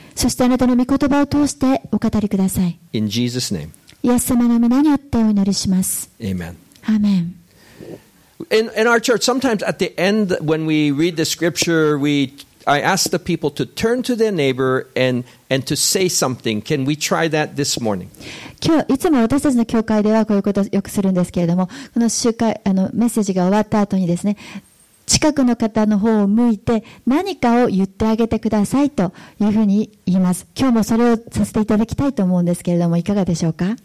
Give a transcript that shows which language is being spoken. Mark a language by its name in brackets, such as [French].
[Japanese] そしてあなたの御言葉を通してお語りください。 [English] In Jesus' name. [Japanese] イエス様の皆によってお祈りします。 [English] Amen. Amen. In our church, sometimes at the end when we read the scripture, I ask the people to turn to their neighbor and to say something. Can we try that this morning? [Japanese] 今日いつも私たちの教会ではこういうことをよくするんですけれども、この集会メッセージが終わった後にですね、近くの方の方を向いて何かを言ってあげてくださいというふうに言います。今日もそれをさせていただきたいと思うんですけれども、いかがでしょうか。